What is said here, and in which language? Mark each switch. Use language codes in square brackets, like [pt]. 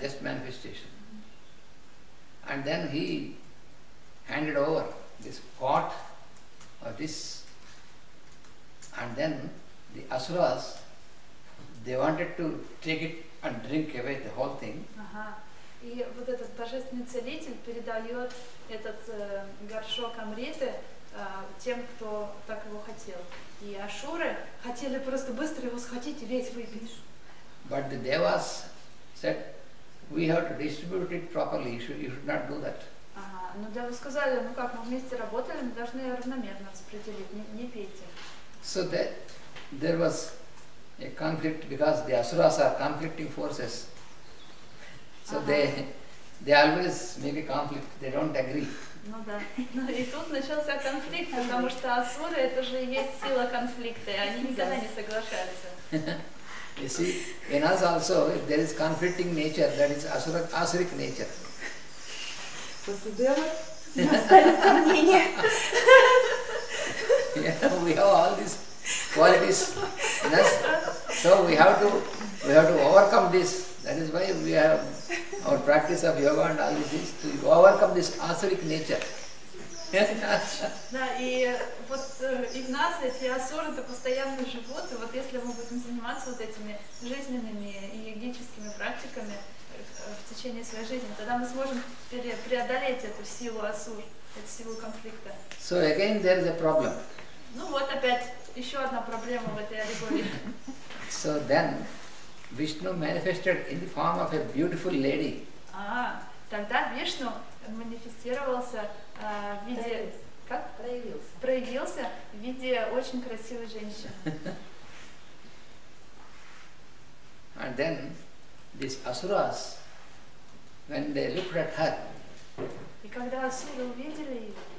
[en] Just manifestation. Mm-hmm. And then he handed over this pot or this, and then the asuras, they wanted to take it and drink away the whole thing. [ru] И вот этот божественный целитель передает этот горшок амриты тем, кто так его хотел. И асуры хотели просто быстро его схватить и весь выпить. [en] But the devas said, we have to distribute it properly. You should not do that. [ru] ну да, вы сказали, ну как, мы вместе работали, мы должны равномерно распределить, не, не пейте. [en] So that there was a conflict because the asuras are conflicting forces. So they always make a conflict, they don't agree. [ru] Ну да, ну и тут начался конфликт, потому что асуры это же есть сила конфликта, и они никогда не соглашаются. [en] You see, in us also, if there is conflicting nature, that is asuric nature. [ru] После дела остались сомнения. [en] Yeah, we have all these qualities in us. So we have to overcome this. That is why we have our practice of yoga and all this is to overcome this asuric nature. [ru] Да, и вот и в нас эти асуры это постоянно живут, и вот если мы будем заниматься вот этими жизненными и йогическими практиками в течение своей жизни, тогда мы сможем преодолеть эту силу асур, эту силу конфликта. [en] So again there is a problem. [ru] Ну вот опять еще одна проблема в этой аллегории. [en] So then Vishnu manifested in the form of a beautiful lady. [ru] А, тогда Вишну манифестировался в виде как проявился в виде очень красивой женщины. [en] And then these asuras, when they looked at her, [ru] и когда асуры увидели ее,